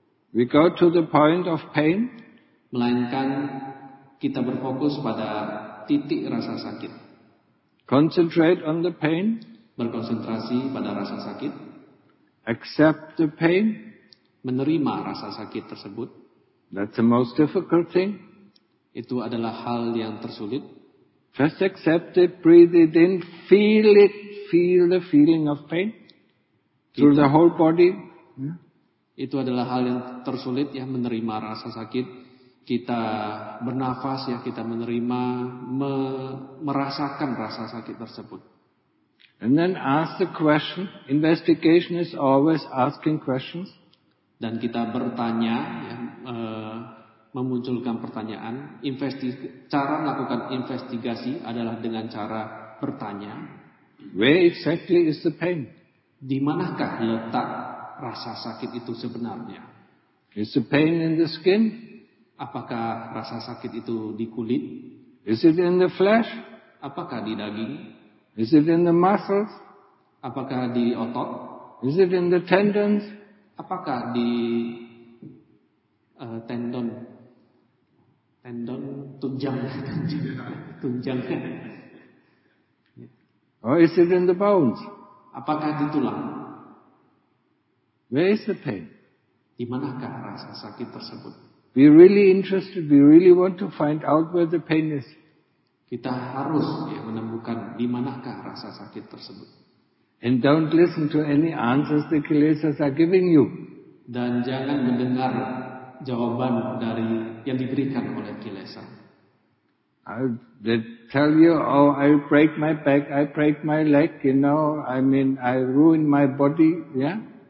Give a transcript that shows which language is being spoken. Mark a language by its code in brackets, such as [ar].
[en] We go to the point of pain. [id] Melainkan kita berfokus pada titik rasa sakit. [en] Concentrate on the pain. [id] Berkonsentrasi pada rasa sakit. [en] Accept the pain. [id] Menerima rasa sakit tersebut. [en] That's the most difficult thing. [id] Itu adalah hal yang tersulit. [en] First accept it, breathe it in, feel it, feel the feeling of pain through the whole body. [id] Itu adalah hal yang tersulit, ya, menerima rasa sakit. Kita bernafas, ya, kita menerima, merasakan rasa sakit tersebut. [en] And then ask the question. Investigation is always asking questions. [id] Dan kita bertanya, ya, memunculkan pertanyaan. Cara melakukan investigasi adalah dengan cara bertanya. [en] Where exactly is the pain? [id] Di manakah letak rasa sakit itu sebenarnya? [en] Is the pain in the skin? [id] Apakah rasa sakit itu di kulit? [en] Is it in the flesh? [id] Apakah di daging? [en] Is it in the muscles? [id] Apakah di otot? [en] Is it in the tendons? [id] Apakah di tendon? Tendon tunjang. Tunjang. [en] Or is it in the bones? [id] Apakah di tulang? [en] Where is the pain? [id] Di manakah rasa sakit tersebut? [en] We really interested, we really want to find out where the pain is. [id] Kita harus menemukan di manakah rasa sakit tersebut. [en] And don't listen to any answers the kilesas are giving you. [id] Dan jangan mendengar jawaban dari yang diberikan oleh kilesa. [en] They tell you, oh, I break my back, I break my leg, you know, I mean, I ruin my body, yeah?